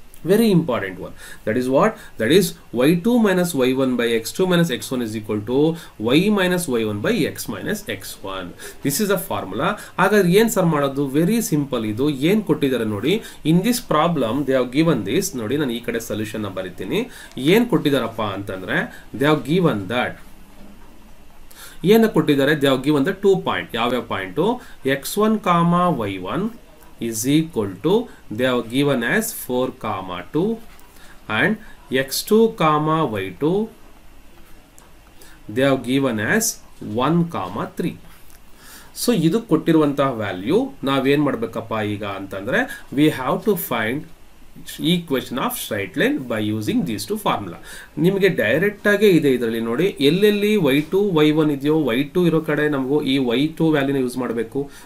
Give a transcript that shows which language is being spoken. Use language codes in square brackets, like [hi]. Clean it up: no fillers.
[en] Very important one. That is what, that is y two minus y one by x two minus x one is equal to y minus y one by x minus x one. This is a formula. [kn] ಹಾಗಾದ್ರೆ ಏನ್ sir ಮಾಡೋದು? [en] Very simple. [kn] ಇದು ಏನ್ ಕೊಟ್ಟಿದ್ದಾರೆ ನೋಡಿ, [en] In this problem they have given this. [kn] ನೋಡಿ, ನಾನು ಈ ಕಡೆ ಸೊಲ್ಯೂಷನ್ ಬರೀತೀನಿ. ಏನ್ ಕೊಟ್ಟಿದ್ದಾರಪ್ಪ ಅಂತಂದ್ರೆ [en] they have given that, [kn] ಏನ ಕೊಟ್ಟಿದ್ದಾರೆ, [en] They have given the two point. [kn] ಯಾವ್ಯಾವ point? [en] X one comma y one is equal to, they have given as 4 comma 2 and x2 comma y2 they have given as 1 comma 3. So [kn] ಇದು ಕೊಟ್ಟಿರುವಂತಹ value ನಾವೇನ್ ಮಾಡ್ಬೇಕಪ್ಪ ಈಗ ಅಂತಂದ್ರೆ, [en] We have to find equation of straight line by using these two formula. [kn] ನಿಮಗೆ direct ಆಗಿ ಇದೆ ಇದರಲ್ಲಿ ನೋಡಿ, ಎಲ್ಲೆಲ್ಲಿ ವೈ ಟು ವೈ ಒನ್ ಇದೆಯೋ, ವೈ ಟು ಇರೋ ಕಡೆ ನಮಗೂ ಈ ವೈ ಟು ವ್ಯಾಲ್ಯೂನ ಯೂಸ್ ಮಾಡಬೇಕು.